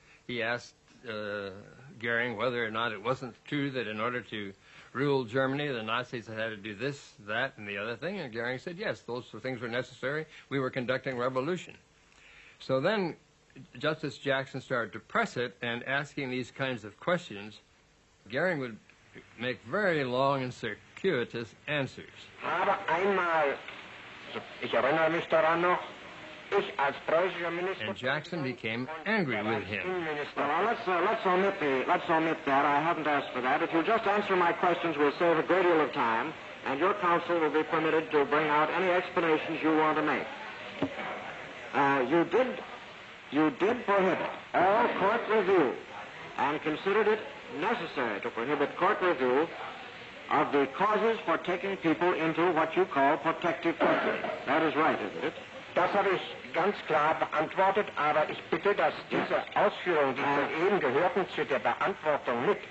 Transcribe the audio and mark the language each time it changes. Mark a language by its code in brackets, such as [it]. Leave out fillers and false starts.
[en] He asked Göring whether or not it wasn't true that in order to rule Germany, the Nazis had to do this, that, and the other thing, and Göring said, yes, those things were necessary. We were conducting revolution. So then Justice Jackson started to press it and asking these kinds of questions. Göring would make very long and circuitous answers. [de] Aber einmal, ich erinnere mich daran noch, ich als preußischer Minister. [en] And Jackson became angry with him. Let's omit that. I haven't asked for that. If you'll just answer my questions, we'll save a great deal of time, and your counsel will be permitted to bring out any explanations you want to make. You did prohibit all court review and considered it necessary to prohibit court review of the causes for taking people into what you call protective custody. That is right, isn't it? [de] Das habe ich ganz klar beantwortet, aber ich bitte, dass diese Ausführungen, die Sie eben gehörten, zu der Beantwortung mit...